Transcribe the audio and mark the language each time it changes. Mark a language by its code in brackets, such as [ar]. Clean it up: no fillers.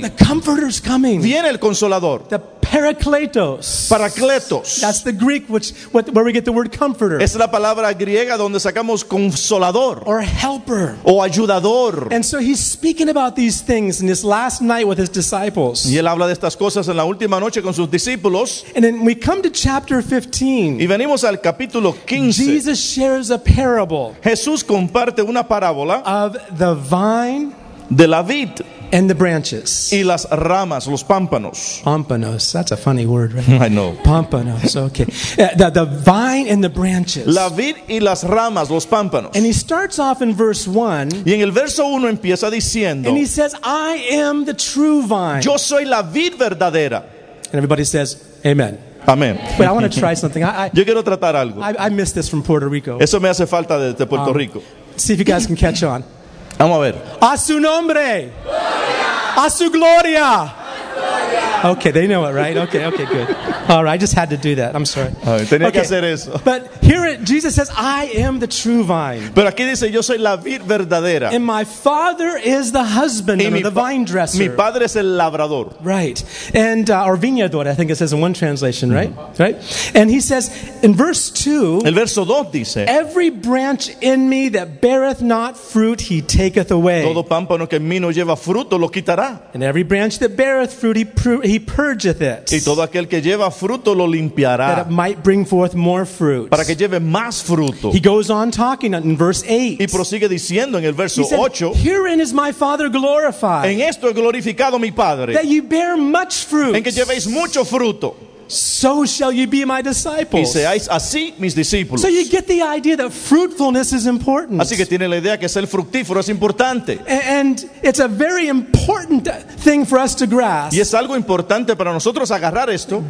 [en] The Comforter's coming. [es] Viene el Consolador. [en] The Parakletos. [es] Paracletos. [en] That's the Greek where we get the word comforter. [es] Es la palabra griega donde sacamos consolador. [en] Or helper. [es] O ayudador. [en] And so he's speaking about these things in this last night with his disciples. [es] Y él habla de estas cosas en la última noche con sus discípulos. [en] And then we come to chapter 15. [es] Y venimos al capítulo 15. [en] Jesus shares a parable. [es] Jesús comparte una parábola. [en] Of the vine. [es] De la vid. [en] And the branches. [es] Y las ramas, los pámpanos. [en] Pámpanos, that's a funny word, right? I know. Pámpanos, okay. The vine and the branches. [es] La vid y las ramas, los pámpanos. [en] And he starts off in verse 1. [es] Y en el verso 1 empieza diciendo. [en] And he says, I am the true vine. [es] Yo soy la vid verdadera. [en] And everybody says, amen. [es] Amen. [en] But I want to try something. [es] Yo quiero tratar algo. [en] I missed this from Puerto Rico. [es] Eso me hace falta de Puerto Rico. [en] See if you guys can catch on. [es] Vamos a ver. A su nombre. Gloria. A su gloria. Gloria. [en] Okay, they know it, right? Okay, okay, good. All right, I just had to do that. I'm sorry. [es] Tenía que hacer eso. [en] But here Jesus says, I am the true vine. [es] Pero aquí dice, yo soy la vid verdadera. [en] And my father is the husbandman, the vine dresser. [es] Mi padre es el labrador. [en] Right. And, or viñador, I think it says in one translation, right? Mm-hmm. Right? And he says, in verse 2, [es] el verso 2 dice, [en] every branch in me that beareth not fruit, he taketh away. [es] Todo pámpano que en mí no lleva fruto, lo quitará. [en] And every branch that beareth fruit, he purgeth it. [es] Y todo aquel que lleva fruto lo limpiará. [en] That it might bring forth more fruit. [es] Para que lleve más fruto. [en] He goes on talking in verse 8. [es] Y prosigue diciendo en el verso 8. [en] Herein is my Father glorified. [es] En esto es glorificado mi Padre. [en] That you bear much fruit. [es] En que llevéis mucho fruto. [en] So shall you be my disciples. [es] Y seáis así mis discípulos. [en] So you get the idea that fruitfulness is important. [es] Así que tiene la idea que ser fructífero es importante. [en] And it's a very important thing for us to grasp. [es] Y es algo importante para nosotros agarrar esto.